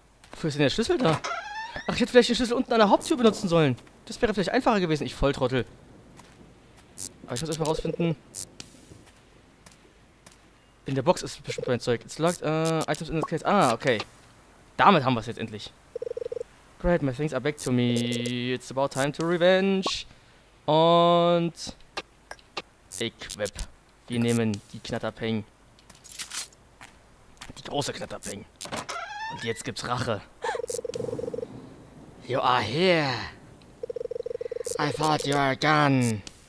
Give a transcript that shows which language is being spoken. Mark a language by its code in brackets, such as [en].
[de] Wofür ist denn der Schlüssel da? Ach, ich hätte vielleicht den Schlüssel unten an der Haupttür benutzen sollen. Das wäre vielleicht einfacher gewesen. Ich Volltrottel. Aber ich muss erstmal rausfinden. In der Box ist bestimmt mein Zeug. [en] It's locked. Items in the case. [de] Ah, okay. Damit haben wir es jetzt endlich. [en] Great, my things are back to me. It's about time to revenge. [de] Und equip. Wir nehmen die Knatterpeng. Die große Knatterpeng. Und jetzt gibt's Rache. [en] You are here. I thought you were gone.